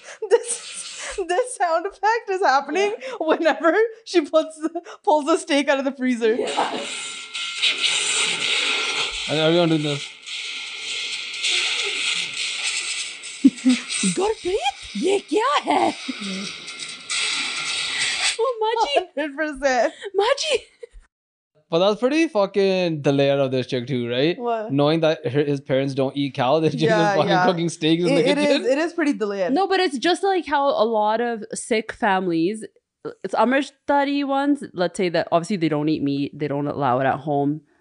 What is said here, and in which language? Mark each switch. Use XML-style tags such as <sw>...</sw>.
<en>This sound effect is happening whenever she pulls the steak out of the freezer. And everyone doing this.</en> <hi>Gurpreet, ये क्या है? ओह, माजी.</hi> <en>100%. Maji. But that's pretty fucking the layout of this chick too, right? What? Knowing that his parents don't eat cow, they're just cooking steaks in the kitchen. It is pretty the layout. No, but it's just like how a lot of Sikh families, it's Amritsari ones, let's say that obviously they don't eat meat, they don't allow it at home.</en>